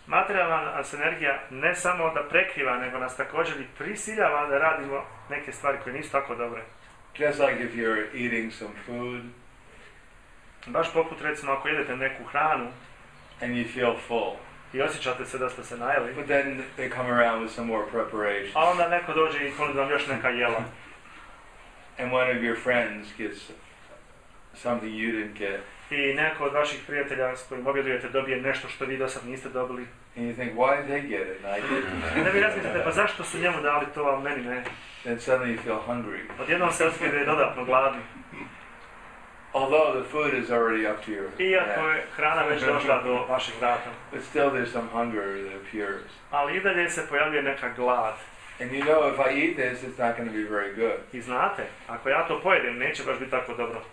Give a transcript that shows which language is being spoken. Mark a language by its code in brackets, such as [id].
[bs] Materijalna energija ne samo da prekriva, nego nas također i prisiljava da radimo neke stvari koje nisu tako dobre. [en] Just like if you're eating some food. [bs] Baš poput recimo ako jedete neku hranu. [en] And you feel full. [bs] I osjećate se da ste se najeli. [en] But then they come around with some more preparations. [bs] A onda neko dođe i ponudi vam još neka jela. [en] And one of your friends gets something you didn't get. [bs] I neko od vaših prijatelja s kojim objedujete dobije nešto što vi do sad niste dobili. [en] And you think, why did they get it? And I didn't. [bs] Onda vi razmislite, pa zašto su njemu dali to, a meni ne? [en] Then suddenly you feel hungry. [bs] Odjednom se osjećate dodatno gladni. [en] Although the food is already up to your [bs] head. Iako je hrana već došla do vaših vrata. [en] But still there's some hunger that appears. [bs] Ali i dalje se pojavljuje neka glad. [en] And you know, if I eat this, it's not going to be very good. [bs] I znate, ako ja to pojedem, neće baš biti tako dobro.